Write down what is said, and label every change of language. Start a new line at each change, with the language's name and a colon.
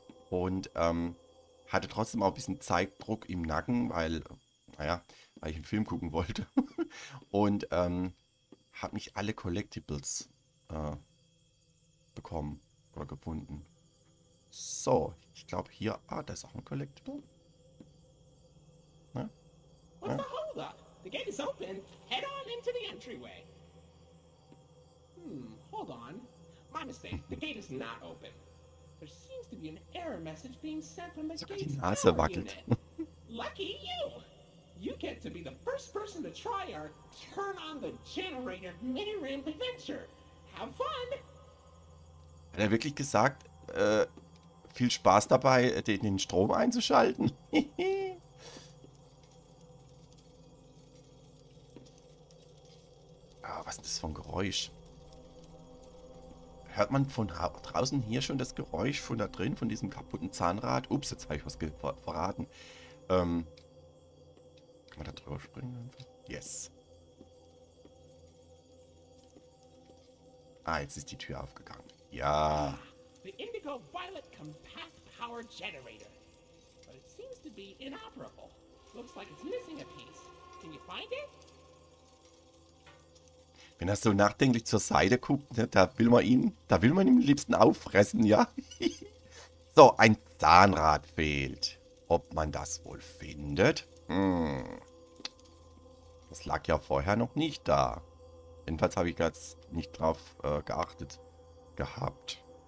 German: Und hatte trotzdem auch ein bisschen Zeitdruck im Nacken, weil, naja, weil ich einen Film gucken wollte. Und habe nicht alle Collectibles bekommen oder gefunden. So, ich glaube hier, ah, da ist auch ein Collectible. Ne?
English: What's the hold up? The gate is open. Head on into the entryway. Hold on. My mistake. The gate is not open. There seems to be an error message being sent from the
German: Sogar die
English: gate's
German: Nase
English: power
German: wackelt.
English: unit. Lucky you! You get to be the first person to try our turn on the generator mini ramp adventure. Have fun!
German: Hat er wirklich gesagt, viel Spaß dabei, den Strom einzuschalten? Ah, was ist das für ein Geräusch? Hört man von draußen hier schon das Geräusch von da drin, von diesem kaputten Zahnrad? Ups, jetzt habe ich was verraten. Kann man da drüber springen einfach? Yes. Ah, jetzt ist die Tür aufgegangen. Ja.
English: The Indigo Violet Compact Power Generator. But it seems to be inoperable. Looks like it's missing a piece. Can you find it?
German: Wenn er so nachdenklich zur Seite guckt, ne, da will man ihn am liebsten auffressen, ja? So, ein Zahnrad fehlt. Ob man das wohl findet? Das lag ja vorher noch nicht da. Jedenfalls habe ich ganz nicht drauf geachtet gehabt.